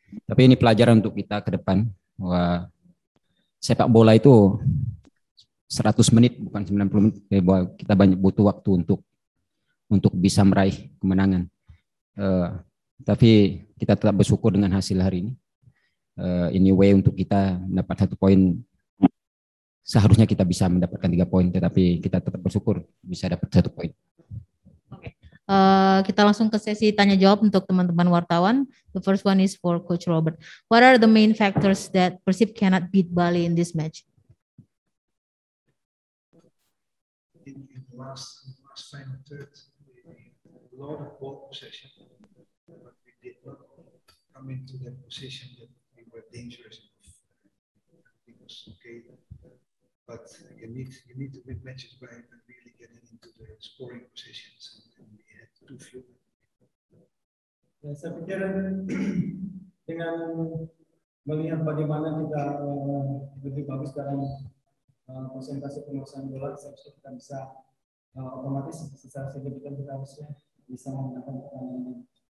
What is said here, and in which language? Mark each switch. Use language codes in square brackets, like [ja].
[id] Tapi ini pelajaran untuk kita ke depan bahwa sepak bola itu 100 menit bukan 90 menit, bahwa kita banyak butuh waktu untuk bisa meraih kemenangan. Tapi kita tetap bersyukur dengan hasil hari ini. Ini way untuk kita mendapat satu poin. Seharusnya kita bisa mendapatkan 3 poin, tetapi kita tetap bersyukur bisa dapat 1 poin. Oke. Kita langsung ke sesi tanya jawab untuk teman-teman wartawan. [en] The first one is for Coach Robert. What are the main factors that Persib cannot beat Bali in this match? In the last final third, a lot of ball possession, but we did not come into that position that we were dangerous enough. It was okay. But you need to win matches by really getting into the scoring positions, and we had too few. [id] Ya, saya pikir dengan melihat bagaimana kita lebih bagus dalam persentase penguasaan bola, seharusnya kita bisa otomatis secara signifikan kita harusnya bisa menggunakan pertandingan.